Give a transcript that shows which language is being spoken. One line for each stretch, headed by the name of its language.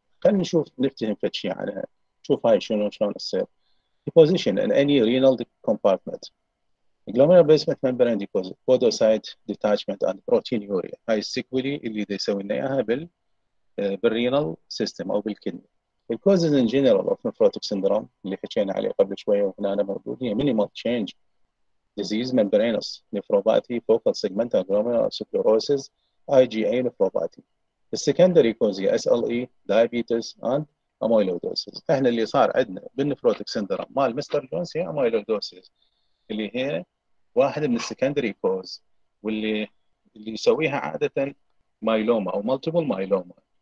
Arabic: خلينا نشوف نفتهم فد شيء عنها. شوف هاي شلون تصير.
English: Deposition ان اني renal compartment. Glomerular basement membrane deposit, podocyte detachment and proteinuria.
Arabic: هاي السيكولي اللي دي يسوي لنا اياها بالرينال سيستم او بالكدني.
English: The causes in general of nephrotic syndrome
Arabic: اللي حكينا عليه قبل شويه وهنا أنا موجود هي
English: minimal change disease membranous nephropathy, focal segmental glomerular sclerosis, IgA nephropathy. The secondary cause هي SLE, diabetes and amyloidosis.
Arabic: احنا اللي صار عندنا بالنفروتك سندروم مال مستر جونز هي amyloidosis. اللي هي واحد من السكندري كوز واللي يسويها عاده مايلوما او مالتيبل مايلوما.